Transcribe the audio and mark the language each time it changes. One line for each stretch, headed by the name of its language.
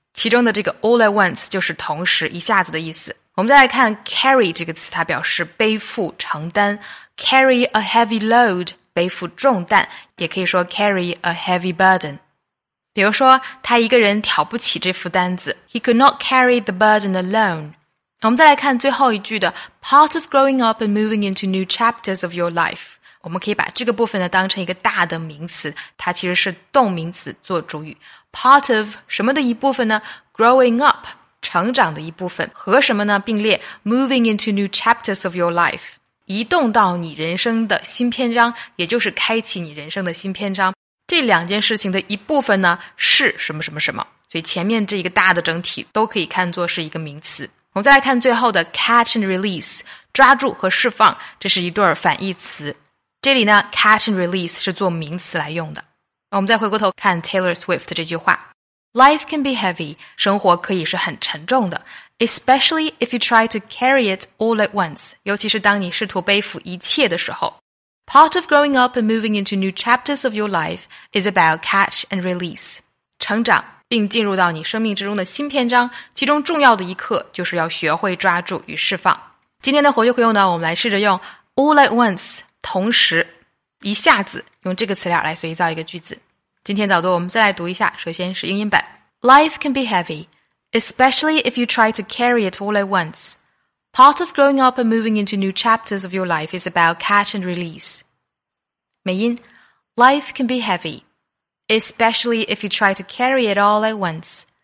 Chinese: 其中的这个
English: all at once
Chinese: 就是同时一下子的意思。我们再来看 carry 这个词，它表示背负、承担。
English: Carry a heavy load,
Chinese: 背负重担，也可以说
English: carry a heavy burden.
Chinese: 比如说，他一个人挑不起这副担子。
English: He could not carry the burden alone.
Chinese: 我们再来看最后一句的
English: part of growing up and moving into new chapters of your life.
Chinese: 我们可以把这个部分呢当成一个大的名词，它其实是动名词做主语。 Part of 什么的一部分呢 ？Growing up 成长的一部分和什么呢并列 ？
English: Moving into new chapters of your life.
Chinese: 移动到你人生的新篇章，也就是开启你人生的新篇章。这两件事情的一部分呢，是什么什么什么。所以前面这一个大的整体都可以看作是一个名词。我们再来看最后的 catch and release, 抓住和释放，这是一对反义词。这里呢 catch and release 是做名词来用的。我们再回过头看 Taylor Swift 这句话。
English: Life can be heavy,
Chinese: 生活可以是很沉重的。
English: Especially if you try to carry it all at once,
Chinese: 尤其是当你试图背负一切的时候。
English: Part of growing up and moving into new chapters of your life is about catch and release.
Chinese: 成长并进入到你生命之中的新篇章，其中重要的一课就是要学会抓住与释放。今天的活学活用呢，我们来试着用 all at once, 同时一下子用这个词链来随意造一个句子。今天早读我们再来读一下，首先是英音版。
English: Life can be heavy. Especially if you try to carry it all at once. Part of growing up and moving into new chapters of your life is about catch and release. 美音 Life can be heavy. Especially if you try to carry it all at once.